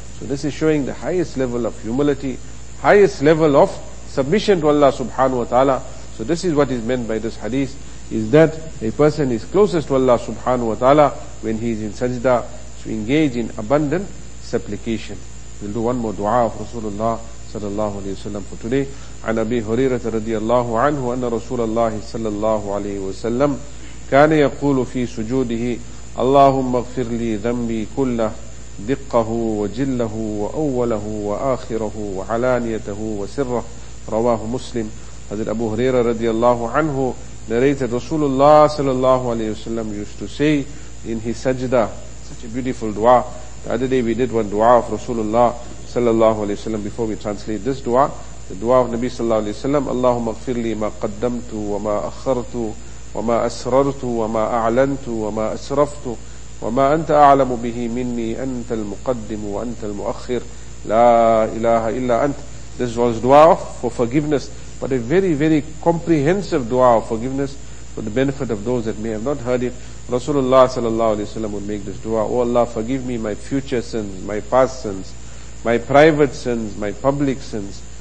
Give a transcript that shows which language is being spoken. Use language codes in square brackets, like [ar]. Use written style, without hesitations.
[en] So this is showing the highest level of humility, highest level of submission to Allah subhanahu wa ta'ala. So this is what is meant by this hadith, is that a person is closest to Allah subhanahu wa ta'ala when he is in sajda. So engage in abundant supplication. We'll do one more dua of Rasulullah sallallahu alayhi wa sallam for today. [ar] عن أبي هريرة رضي الله عنه أن رسول الله صلى الله عليه وسلم كان يقول في سجوده اللهم اغفر لي ذنبي كله دقه وجله وأوله وآخره وعلانيته وسره رواه مسلم. [en] حضرت أبو هريرة [ar] رضي الله عنه [en] narrated رسول الله [ar] صلى الله عليه وسلم [en] used to say in his sajda, such a beautiful dua. The other day we did one dua of Rasulullah [ar] صلى الله عليه وسلم. [en] Before we translate this dua, the dua of Nabi sallallahu alayhi wa sallam, [ar] اللهم اغفر لي ما قدمت وما أخرت وما أسررت وما أعلنت وما أسرفت وما أنت أعلم به مني أنت المقدم وأنت المؤخر لا إله إلا أنت. [en] This was dua for forgiveness, but a very, very comprehensive dua of forgiveness for the benefit of those that may have not heard it. Rasulullah sallallahu alayhi wa sallam would make this dua. Oh Allah, forgive me my future sins, my past sins, my private sins, my public sins.